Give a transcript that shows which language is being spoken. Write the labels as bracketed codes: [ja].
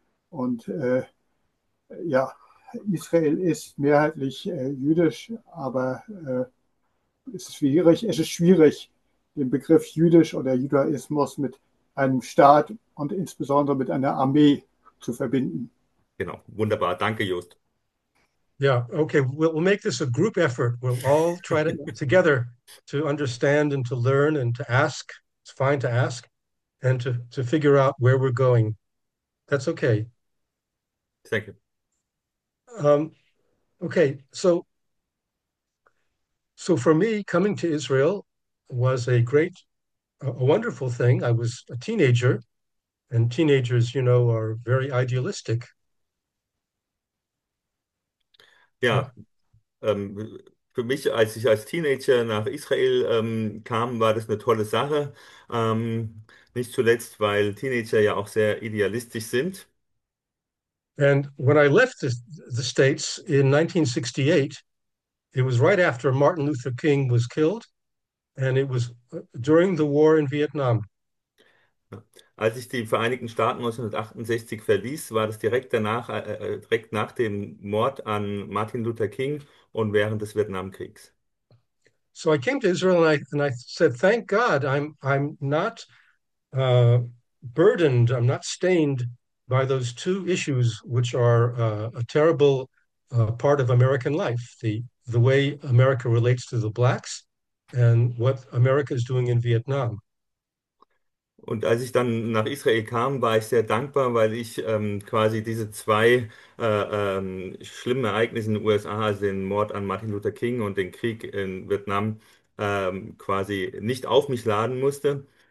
[de] Und ja, Israel ist mehrheitlich jüdisch, aber es ist schwierig, den Begriff jüdisch oder Judaismus mit einem Staat und insbesondere mit einer Armee zu verbinden. genau, wunderbar. Danke, Jost. [en] Yeah, okay. We'll make this a group effort. We'll all try to together to understand and to learn and to ask. It's fine to ask and to figure out where we're going. That's okay. Thank you. Okay, so for me, coming to Israel was a great, a wonderful thing. I was a teenager. And teenagers, you know, are very idealistic. [de] Ja, für mich, als ich als Teenager nach Israel kam, war das eine tolle Sache. Nicht zuletzt, weil Teenager ja auch sehr idealistisch sind. [en] And when I left the States in 1968, it was right after Martin Luther King was killed, and it was during the war in Vietnam. [de] Als ich die Vereinigten Staaten 1968 verließ, war das direkt nach dem Mord an Martin Luther King und während des Vietnamkriegs. [en] So I came to Israel and I said, "Thank God, I'm not burdened. I'm not stained by those two issues, which are a terrible part of American life: the way America relates to the blacks, and what America is doing in Vietnam." [de] Und als ich dann nach Israel kam, war ich sehr dankbar, weil ich quasi diese zwei schlimmen Ereignisse in den USA, also den Mord an Martin Luther King und den Krieg in Vietnam, quasi nicht auf mich laden musste.